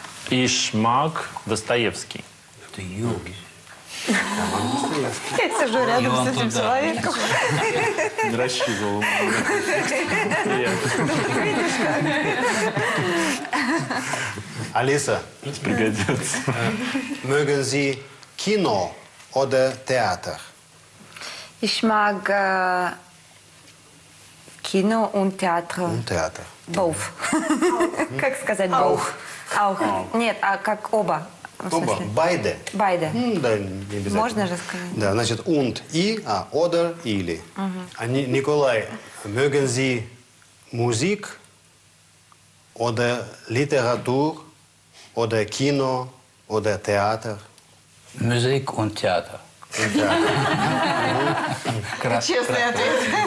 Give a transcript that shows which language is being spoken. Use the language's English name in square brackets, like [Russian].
[German] Ich mag Достоевский. [Russian] Я сижу рядом с этим человеком. Не рассчитывал. Алиса, пригодится. [German] Mögen Sie Kino oder Theater? Ich mag Kino und Theater. Und Theater. [English] Both. [Russian] Как сказать [English] both? [German] Auch. [Russian] Нет, а как оба? Оба. [German] Beide. Beide. [Russian] Да, не обязательно. Можно же сказать. Да, значит, und, и, а, oder, или. [German] Николай, mögen Sie Musik oder Literatur oder Kino oder Theater? Musik und Theater. [Russian] Честный ответ.